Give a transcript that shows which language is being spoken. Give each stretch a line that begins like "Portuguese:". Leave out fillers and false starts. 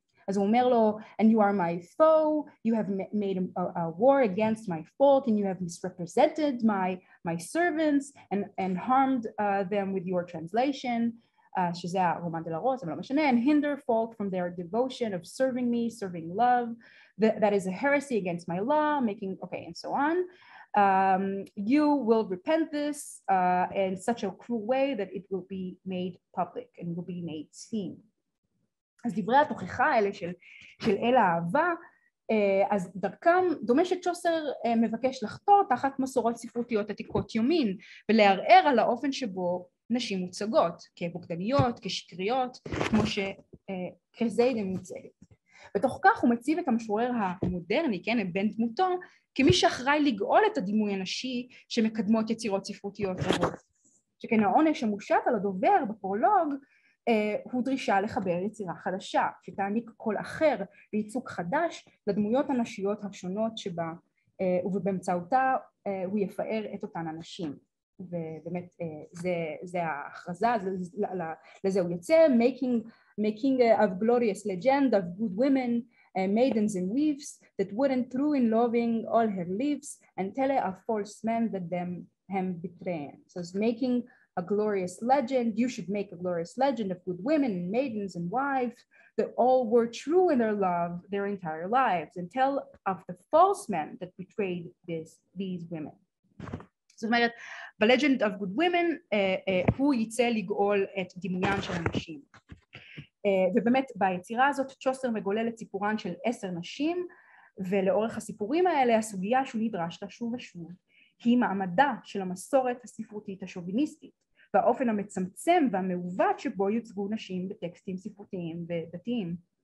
English: As Omerlo, and you are my foe, you have made a war against my fault, and you have misrepresented my servants and harmed them with your translation,
Hebrew: שזה הרומן דלרוס, אבל לא משנה,
English: and hinder folk from their devotion of serving me, serving love, that is a heresy against my law, making, okay, and so on. You will repent this in such a cruel way that it will be made public and will be made seen.
Hebrew: אז דברי התוכחה האלה של אל האהבה, אז דרכם דומה שצ'וסר מבקש לחתור תחת מסורות ספרותיות עתיקות יומין, ולערער על האופן שבו נשים מוצגות, כבוקדניות, כשקריות, כמו שקרזיידן מוצגת. בתוך כך הוא מציב את המשורר המודרני, כן, בן דמותו, כמי שאחראי לגאול את הדימוי הנשי שמקדמות יצירות ספרותיות רבות. שכן העונש המושט על הדובר בפרולוג, הוא דרישה לחבר יצירה חדשה, שתעניק קול אחר בייצוג חדש לדמויות הנשיות השונות שבה, ובאמצעותה הוא יפאר את אותן הנשים. ובאמת זה ההכרזה, לזה הוא יוצא,
English: making of glorious legend of good women, maidens and weaves, that weren't true in loving all her leaves, and tell her a false man that them betrayed. So it's making a glorious legend, you should make a glorious legend of good women and maidens and wives that all were true in their love their entire lives, and tell of the false men that betrayed these women.
Hebrew: זאת אומרת, ב-Legend of Good Women, הוא יצא לגאול את דמיון של הנשים. ובאמת, ביצירה הזאת, צ'וסר מגולל את סיפורן של 10 נשים, ולאורך הסיפורים האלה, הסוגיה שהוא נדרש לה שוב ושוב, היא מעמדה של המסורת הספרותית השוביניסטית, והאופן המצמצם והמעוות שבו יוצגו נשים בטקסטים ספרותיים ודתיים.